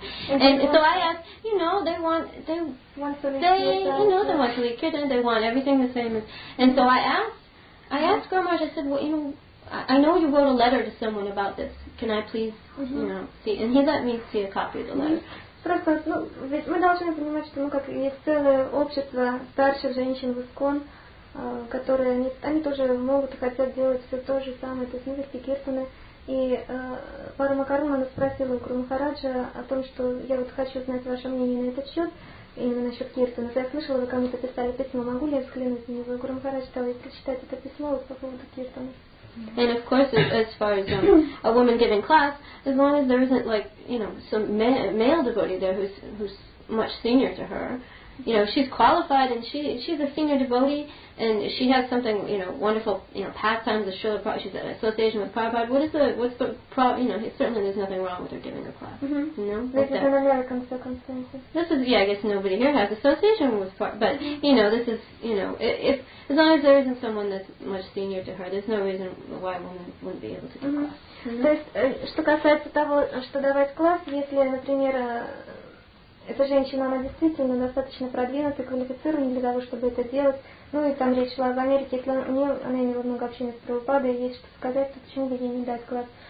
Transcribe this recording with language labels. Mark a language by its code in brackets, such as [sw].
[en] And so I asked, you know, they want to lead kirtan, they want everything the same. And so I asked Guru Maharaj, I said, well, you know, I know you wrote a letter to someone about this. Can I please, you know, see? And he let me see a copy of the letter. [ru] Просто, ну, ведь мы должны понимать, что мы как есть целое общество старших женщин в ИСКОН, которые, они тоже могут и хотят делать все то же самое, то есть мы вести киртаны. И Пару Макарум, она спросила у Гуру Махараджа о том, что я вот хочу знать ваше мнение на этот счет, именно насчет киртана. Я слышала, вы кому-то писали письмо, могу ли я взглянуть на него? Гуру Махарадж стала ей прочитать это письмо вот по поводу киртана. [en] And of course, as far as a woman giving class, as long as there isn't, like, you know, some male devotee there who's much senior to her, you know, she's qualified and she's a senior devotee and she has something, you know, wonderful, you know, pastimes with Srila Prabhupada, she's at an association with Prabhupada, certainly there's nothing wrong with her giving a class, you know? I guess nobody here has association with Prabhupada, but, you know, this is, you know, as long as there isn't someone that's much senior to her, there's no reason why a woman wouldn't be able to give class. [ru] То есть, что касается того, что давать класс, если, например, эта женщина, она действительно достаточно продвинутая, квалифицированная для того, чтобы это делать. Ну и там речь шла об Америке, если она имела много общения с Прабхупадой, есть что сказать, то почему бы ей не дать класс.